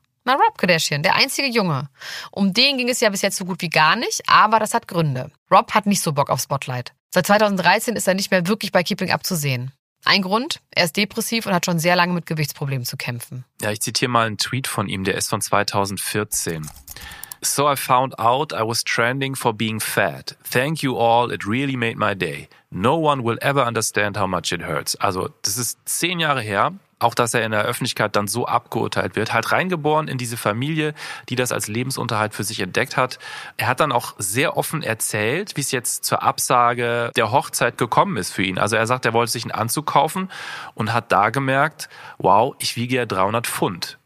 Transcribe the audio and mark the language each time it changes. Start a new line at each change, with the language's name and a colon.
German: Na, Rob Kardashian, der einzige Junge. Um den ging es ja bis jetzt so gut wie gar nicht, aber das hat Gründe. Rob hat nicht so Bock auf Spotlight. Seit 2013 ist er nicht mehr wirklich bei Keeping Up zu sehen. Ein Grund, er ist depressiv und hat schon sehr lange mit Gewichtsproblemen zu kämpfen. Ja, ich zitiere mal einen Tweet von ihm, der ist von 2014.
English: So I found out I was trending for being fat. Thank you all, it really made my day. No one will ever understand how much it hurts.
German: Also, das ist 10 Jahre her. Auch, dass er in der Öffentlichkeit dann so abgeurteilt wird. Halt reingeboren in diese Familie, die das als Lebensunterhalt für sich entdeckt hat. Er hat dann auch sehr offen erzählt, wie es jetzt zur Absage der Hochzeit gekommen ist für ihn. Also er sagt, er wollte sich einen Anzug kaufen und hat da gemerkt, wow, ich wiege ja 300 Pfund.